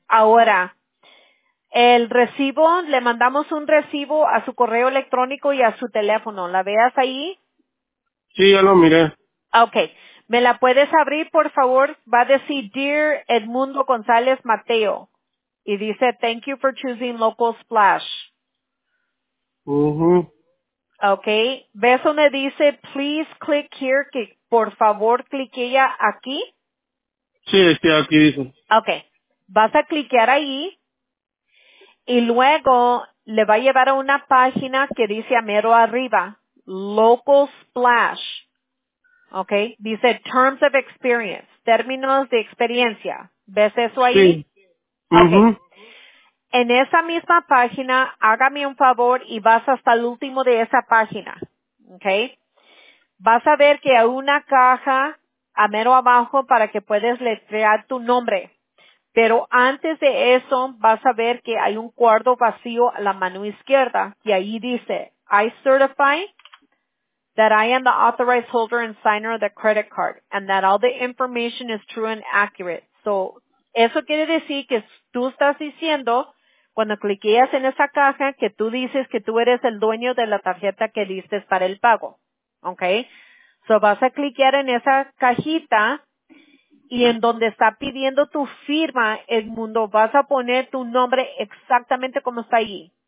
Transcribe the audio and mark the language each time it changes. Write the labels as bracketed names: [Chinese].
[Spanish] Ahora, el recibo, le mandamos un recibo a su correo electrónico y a su teléfono. ¿La veas ahí? Sí, ya lo miré. [English] Okay. [Spanish] ¿Me la puedes abrir, por favor? Va a decir, Dear Edmundo González Mateo. Y dice, [English] Thank you for choosing Local Splash. Uh-huh. Okay. [Spanish] ¿Ves donde dice, [English] Please click here, [Spanish] que por favor clique ya aquí? Sí, aquí dice. [English] Okay. [Spanish] vas a cliquear ahí y luego le va a llevar a una página que dice a mero arriba, Local Splash, ¿ok? Dice [English] Terms of Experience, [Spanish] términos de experiencia. ¿Ves eso ahí? Sí. [English] Okay. [Spanish] En esa misma página, hágame un favor y vas hasta el último de esa página, ¿ok? Vas a ver que hay una caja a mero abajo para que puedas letrear tu nombre. Pero antes de eso, vas a ver que hay un cuarto vacío a la mano izquierda. Y ahí dice, [English] I certify that I am the authorized holder and signer of the credit card and that all the information is true and accurate. [Spanish] So, eso quiere decir que tú estás diciendo, cuando cliqueas en esa caja, que tú dices que tú eres el dueño de la tarjeta que diste para el pago. Okay, so vas a cliquear en esa cajita y en donde está pidiendo tu firma, Edmundo, vas a poner tu nombre exactamente como está ahí.